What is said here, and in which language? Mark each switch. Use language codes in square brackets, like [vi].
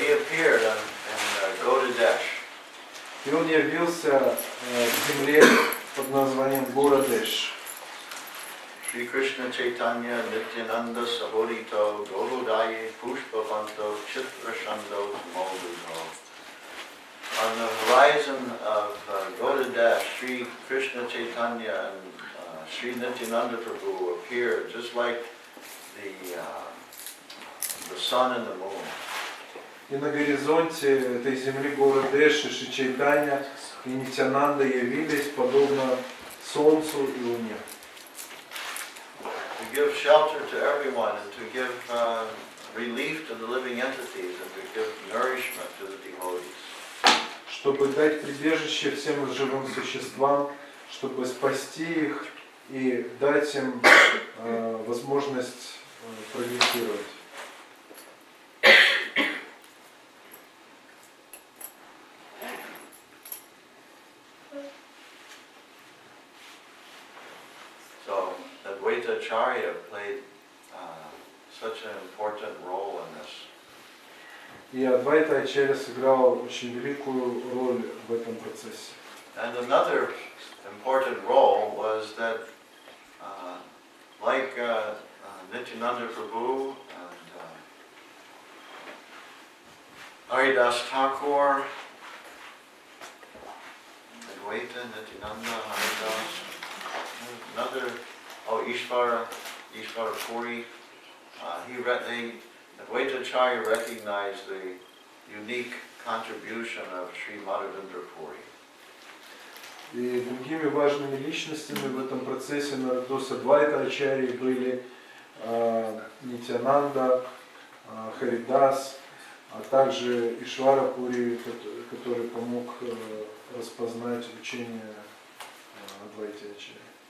[ru] Ачарьи. И он явился к земле под названием Городеш. Шри Кришна Чайтанья Нитьянанда Саборито Голудайи Пушпаванто Читрашандо Молдудо. [en] On the horizon of Godadesh, Sri Krishna Chaitanya and Sri Nityananda Prabhu appear just like the sun and the moon. [ru] И на горизонте этой земли Городеш, Шри Чайтанья и Нитьянанда явились подобно солнцу и луне. [en] To give shelter to everyone and to give relief to the living entities and to give nourishment to the devotees. [ru] Чтобы дать прибежище всем живым существам, чтобы спасти их и дать им возможность прогрессировать. [en] So Advaita Acharya played such an important role in this. [ru] И Адвайта Ачарья сыграл очень великую роль в этом процессе. [en] And another important role was that, like Nityananda Prabhu and Haridas Thakur, Advaita, Nityananda, Haridas, another, Ishvara Puri, Advaita Acharya recognized the unique contribution of Sri Madhavendra Puri. [ru] И другими важными личностями в этом процессе на Одессе Адвайта Ачарьи были Нитянанда, Харидас, а также Ишвара Пури, который помог распознать учение Адвайта Ачарьи.